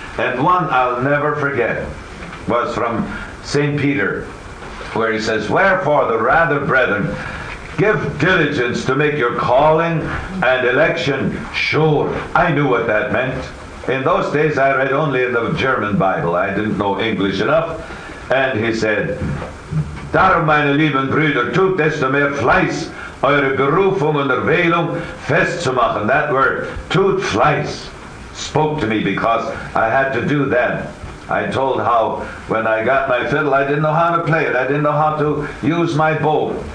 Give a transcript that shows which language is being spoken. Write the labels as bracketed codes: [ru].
[en] And one I'll never forget was from St. Peter, where he says, wherefore, the rather, brethren, give diligence to make your calling and election sure. I knew what that meant. In those days, I read only in the German Bible. I didn't know English enough. And he said, [de] Darum, meine lieben Brüder, tut desto mehr Fleiß, eure Berufung und Erwählung festzumachen. [en] That word, [de] tut Fleiß, [en] spoke to me, because I had to do that. I told how, when I got my fiddle, I didn't know how to play it. I didn't know how to use my bow.